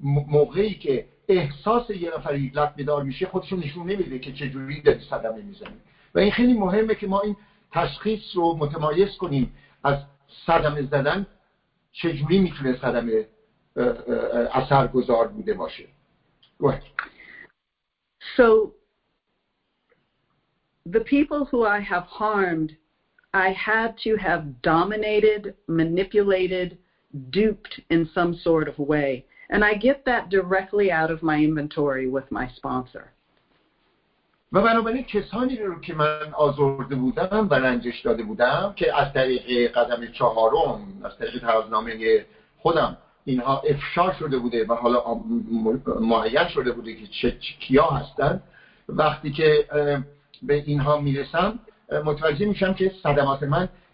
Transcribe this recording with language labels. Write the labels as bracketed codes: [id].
[fa] موقعی که احساس یه نفری لب بیدار میشه خودشون نشون نمیده که چجوری داری صدمه میزنی، و این خیلی مهمه که ما این تشخیص رو متمایز کنیم از صدمه زدن چجوری میتونه صدمه اثرگذار بوده باشه. [en] So the people who I have harmed, I had to have dominated, manipulated, duped in some sort of way. And I get that directly out of my inventory with my sponsor. [fa] و بنابراین کسانی رو که من آزرده بودم و رنجش داده بودم، که از طریق قدم چهارم، از طریق ترازنامه خودم اینها افشا شده بوده و حالا معین شده بوده که چه کیا هستن، وقتی که به اینها میرسم متوجه میشم که صدمات من